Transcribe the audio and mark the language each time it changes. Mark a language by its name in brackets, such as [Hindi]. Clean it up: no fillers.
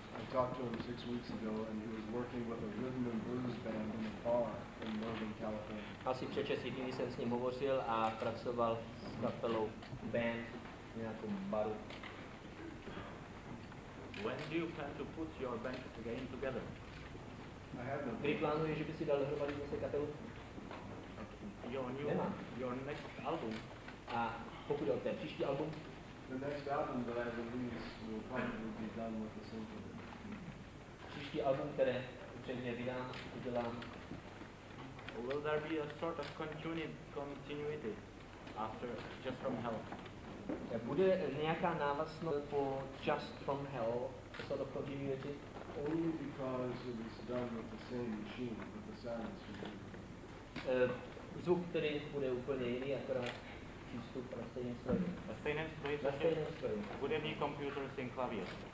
[English] I talked to him 6 weeks ago and he was working with a rhythm and blues band in a bar in Northern California. [Czech] Asi před 6 týdny jsem s ním hovořil a pracoval s kapelou band v nějakém baru. [English] When do you plan to put your band again together? I have no. [Czech] Kdy plánuješ, že by si dal dohromady zase kapelu? [English] Your next album. [Czech] A pokud o ten příští album? [English] The next album that I release will probably be done with the same thing. [Czech] Příští album, které upřejmě vydám, udělám. [English] Will there be a sort of continuity after Just From Hell? [Czech] Bude nějaká návaznost po Just From Hell, [English] a sort of continuity? Only because it is done with the same machine, but the sound is different. [Czech] Zvuk, který bude úplně jiný, akorát přístup na stejném stroji. Na stejném stroji? Na stejném stroji. Bude mít komputer, same klavír?